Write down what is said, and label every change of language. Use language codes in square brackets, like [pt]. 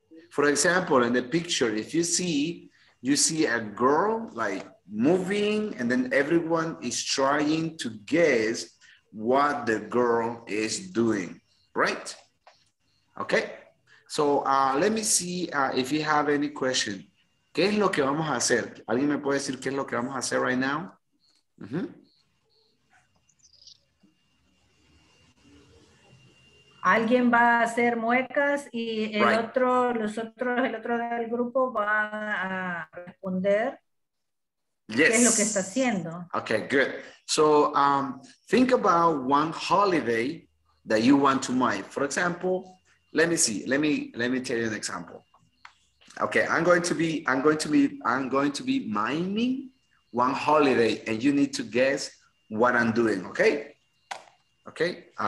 [en] For example, in the picture, if you see, you see a girl like moving and then everyone is trying to guess what the girl is doing, right? Okay, so let me see if you have any question. [es] ¿Qué es lo que vamos a hacer? ¿Alguien me puede decir qué es lo que vamos a hacer [en] right now? Mm-hmm. [es] Alguien va a hacer muecas y el [en] right. [es] otro, los otros, el otro del grupo va a responder [en] yes. [es] qué es lo que está haciendo. [en] Okay, good. So, think about one holiday that you want to mime. For example, let me tell you an example. Okay, I'm going to be miming one holiday and you need to guess what I'm doing, okay? Okay?